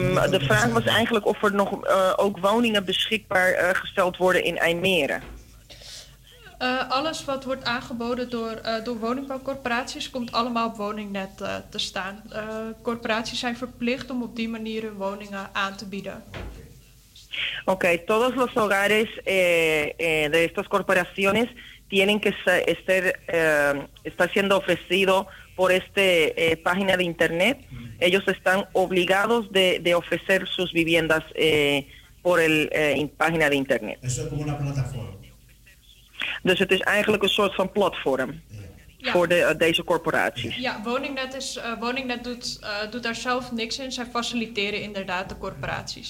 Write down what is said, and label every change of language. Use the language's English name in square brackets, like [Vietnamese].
[Dutch] De vraag was eigenlijk of er nog ook woningen beschikbaar gesteld worden in IJmere. Alles wat wordt aangeboden door woningbouwcorporaties komt allemaal op woningnet te staan. Corporaties zijn verplicht om op die manier hun woningen aan te bieden. [Spanish] Oké, todos los hogares de estas corporaciones tienen que ser está siendo ofrecido por esta página de internet. Ellos están obligados de ofrecer sus viviendas por el página de internet. Eso es como una plataforma. [Dutch] Dus het is eigenlijk een soort van platform voor deze corporaties. Ja, Woningnet is Woningnet doet daar zelf niks in. Zij faciliteren inderdaad de corporaties.